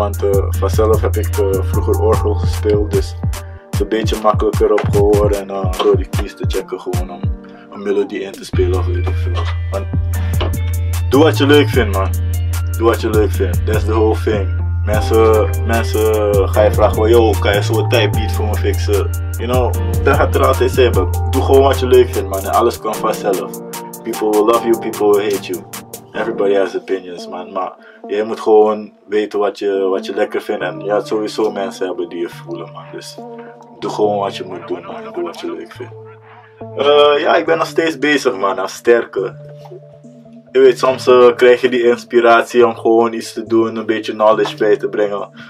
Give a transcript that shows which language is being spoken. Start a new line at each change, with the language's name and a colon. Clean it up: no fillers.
Dutch: Want vanzelf heb ik vroeger orgel gespeeld, dus het is een beetje makkelijker op gehoor en door die keys te checken gewoon om een melodie in te spelen of weet ik veel. Doe wat je leuk vindt, man. Doe wat je leuk vindt.
English: That's the whole thing.
Dutch: Mensen ga je vragen van, yo, kan je zo'n type beat voor me fixen?
English: You know,
Dutch: dat gaat er altijd zijn, maar doe gewoon wat je leuk vindt, man. En alles komt vanzelf.
English: People will love you, people will hate you. Everybody has opinions, man.
Dutch: Maar jij moet gewoon weten wat je lekker vindt. En je gaat sowieso mensen hebben die je voelen, man. Dus doe gewoon wat je moet doen, man. Doe wat je leuk vindt. Ja, ik ben nog steeds bezig, man. Als Sterke. Je weet, soms krijg je die inspiratie om gewoon iets te doen, een beetje knowledge bij te brengen.